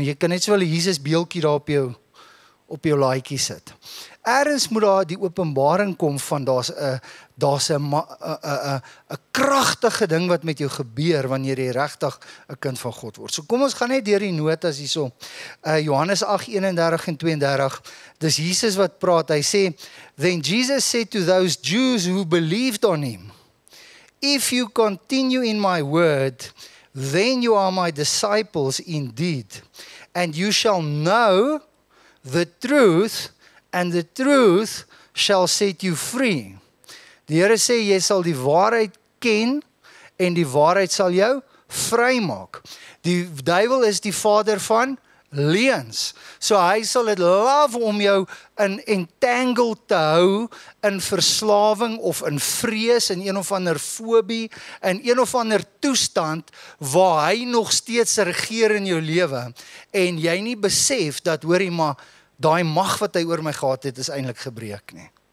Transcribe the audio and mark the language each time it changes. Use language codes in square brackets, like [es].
[af] Jy kan net so wel 'n Jesus beeldjie daar op jou laaitjie sit. Ergens moet daar die openbaring kom van daar's 'n kragtige ding wat met jou gebeur wanneer jy regtig 'n kind van God word. So kom ons gaan net deur die notas hierso. Johannes 8, 31 en 32. Dis Jesus wat praat. Hy sê, [en] then Jesus said to those Jews who believed on him, if you continue in my word, then you are my disciples indeed. And you shall know the truth, and the truth shall set you free. [af] Die Here sê, jy sal die waarheid ken, en die waarheid sal jou vry maak. Die duivel is die vader van leuns. So hy sal het love om jou in entangled te hou, in verslawing of in vrees, in een of ander fobie, in een of ander toestand, waar hy nog steeds regeer in jou lewe, en jy nie besef dat, hoor jy maar, daai mag wat hy oor my gehad het, is eintlik gebreek nie.